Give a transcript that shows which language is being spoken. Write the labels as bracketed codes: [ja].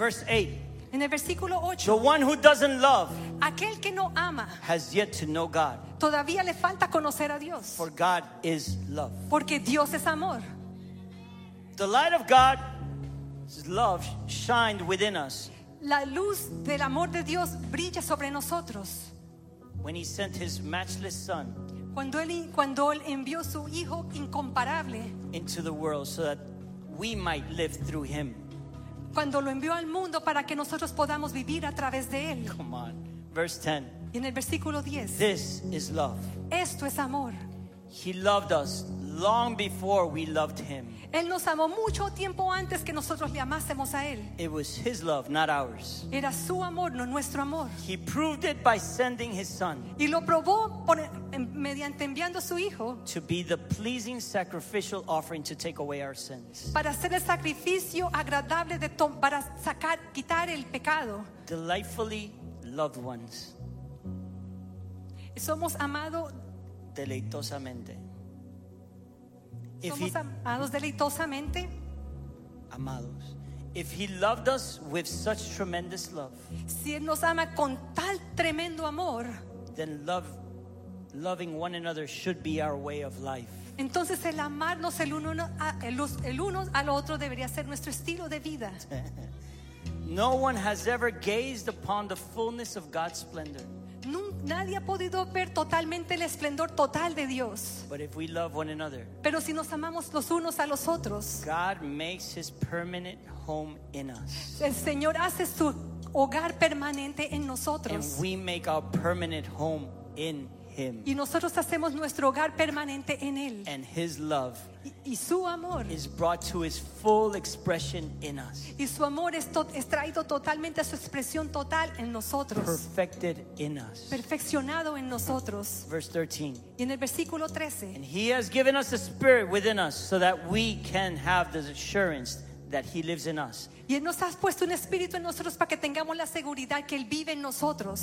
[en] Verse 8. [es] En el versículo 8. [en] The one who doesn't love. [es] Aquel que no ama. [en] Has yet to know God. [es] Todavía le falta conocer a Dios. [en] For God is love. [es] Porque Dios es amor. [en] The light of God's love shined within us. [es] La luz del amor de Dios brilla sobre nosotros. [en] When He sent His matchless Son. [es] Cuando él envió su hijo incomparable. [en] Into the world so that we might live through Him. [es] Cuando lo envió al mundo para que nosotros podamos vivir a través de él. [en] Come on, verse 10. [es] En el versículo 10. [en] This is love. [es] Esto es amor. [en] He loved us long before we loved him. [es] Él nos amó mucho tiempo antes que nosotros le amásemos a él. [en] It was his love, not ours. [es] Era su amor, no nuestro amor. [en] He proved it by sending his son. [es] Y lo probó por, mediante enviando a su hijo. [en] To be the pleasing sacrificial offering to take away our sins. [es] Para hacer el sacrificio agradable de para sacar quitar el pecado. [en] Delightfully loved ones. [es] Somos amados deleitosamente. [en] If [es] somos deleitosamente amados. [en] If he loved us with such tremendous love, [es] si él nos ama con tal tremendo amor, [en] then love, loving one another should be our way of life. [es] Entonces el amarnos el uno al otro debería ser nuestro estilo de vida. [en] No one has ever gazed upon the fullness of God's splendor. [es] Nadie ha podido ver totalmente el esplendor total de Dios. [en] But if we love one another, [es] pero si nos amamos los unos a los otros, [en] God makes his permanent home in us. [es] El Señor hace su hogar permanente en nosotros. [en] And we make our permanent home in him. [es] Y nosotros hacemos nuestro hogar permanente en él. [en] And his love [es] y su amor [en] is brought to his full expression in us. [es] Y su amor es traído totalmente a su expresión total en nosotros. [en] Perfected in us. [es] Perfeccionado en nosotros. [en] Verse 13. [es] Y en el versículo 13. [en] And he has given us the Spirit within us so that we can have the assurance that he lives in us. [es] Y él nos ha puesto un espíritu en nosotros para que tengamos la seguridad que él vive en nosotros.